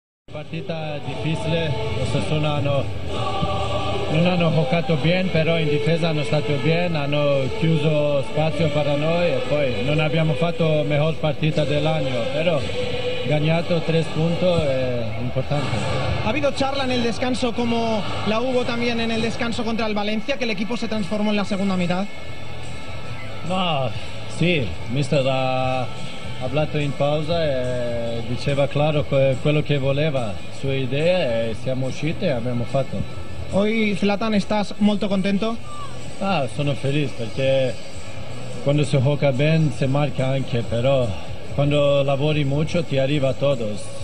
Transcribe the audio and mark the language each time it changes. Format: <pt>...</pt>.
<it>partita difficile, Osasuna hanno, non hanno giocato bene, però in difesa hanno stato bene, hanno chiuso spazio per noi e poi non abbiamo fatto la miglior partita dell'anno, però ganato 3 punti è importante.</it> <es>Ha habido charla en el descanso como la hubo también en el descanso contra el Valencia, que el equipo se transformó en la segunda mitad. No, sí, mister ha hablado en pausa y</es> <it>diceva claro quello che voleva, su idea, e siamo usciti e abbiamo fatto.</it> <es>Hoy Zlatan, ¿estás</es> <it>molto contento? Ah, sono feliz perché quando si gioca ben si marca anche, però quando lavori mucho ti arriva</it> <es>a todos.</es>